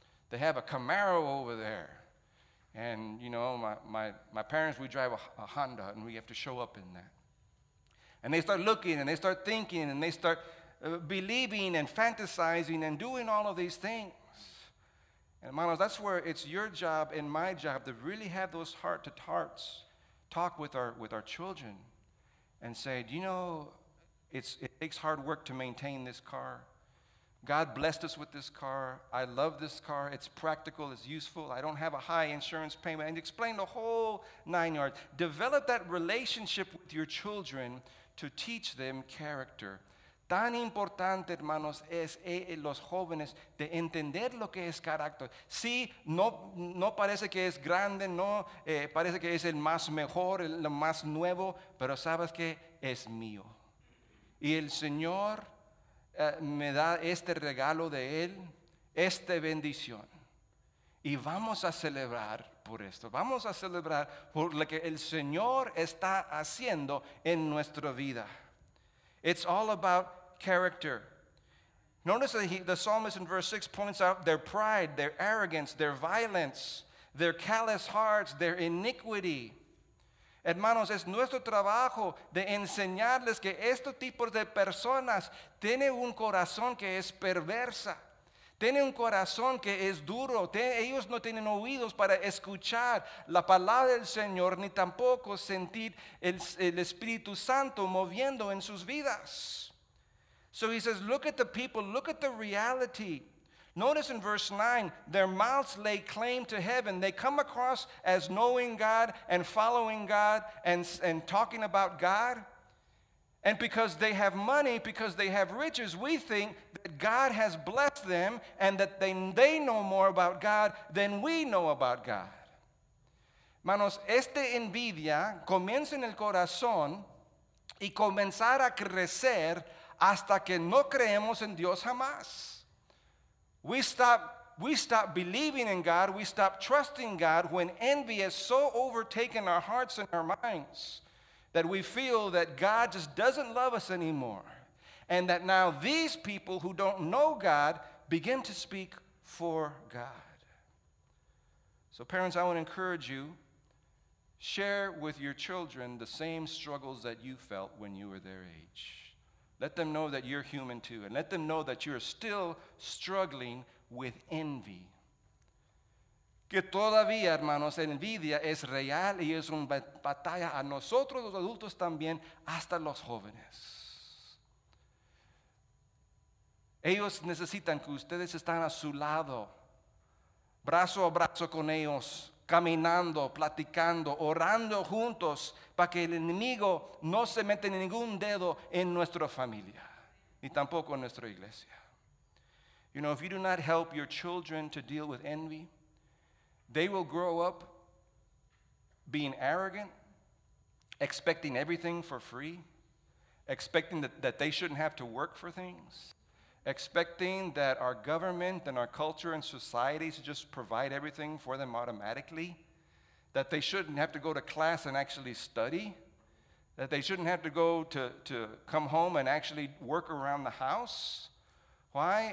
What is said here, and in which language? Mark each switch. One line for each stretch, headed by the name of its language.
English: They have a Camaro over there. And, you know, my parents, we drive a Honda, and we have to show up in that. And they start looking, and they start thinking, and they start believing and fantasizing and doing all of these things. And, hermanos, that's where it's your job and my job to really have those heart-to-hearts, talk with our children, and say, do you know, it takes hard work to maintain this car. God blessed us with this car. I love this car. It's practical. It's useful. I don't have a high insurance payment. And explain the whole nine yards. Develop that relationship with your children to teach them character.
Spanish: Tan importante, hermanos, es los jóvenes de entender lo que es carácter. Sí, no parece que es grande, no parece que es el más mejor, el más nuevo, pero sabes que es mío. Y el Señor me da este regalo de Él, esta bendición. Y vamos a celebrar por esto. Vamos a celebrar por lo que el Señor está haciendo en nuestra vida.
English: It's all about character. Notice that the psalmist in verse 6 points out their pride, their arrogance, their violence, their callous hearts, their iniquity.
Spanish: Hermanos, es nuestro trabajo de enseñarles que estos tipos de personas tienen un corazón que es perversa. Tienen un corazón que es duro. Ellos no tienen oídos para escuchar la palabra del Señor ni tampoco sentir el Espíritu Santo moviendo en sus vidas.
English: So he says, look at the people, look at the reality. Notice in verse 9, their mouths lay claim to heaven. They come across as knowing God and following God and talking about God. And because they have money, because they have riches, we think that God has blessed them and that they know more about God than we know about God.
Spanish: Manos, esta envidia comienza en el corazón y comenzará a crecer hasta que no creemos en Dios jamás.
English: We stop believing in God. We stop trusting God when envy has so overtaken our hearts and our minds that we feel that God just doesn't love us anymore. And that now these people who don't know God begin to speak for God. So parents, I want to encourage you, share with your children the same struggles that you felt when you were their age. Let them know that you're human too, and let them know that you're still struggling with envy.
Spanish: Que todavía, hermanos, envidia es real y es una batalla a nosotros los adultos también, hasta los jóvenes. Ellos necesitan que ustedes estén a su lado, brazo a brazo con ellos, caminando, platicando, orando juntos para que el enemigo no se meta ningún dedo en nuestra familia ni tampoco en nuestra iglesia.
English: You know, if you do not help your children to deal with envy, they will grow up being arrogant, expecting everything for free, expecting that they shouldn't have to work for things, expecting that our government and our culture and societies just provide everything for them automatically, that they shouldn't have to go to class and actually study, that they shouldn't have to go to come home and actually work around the house. Why?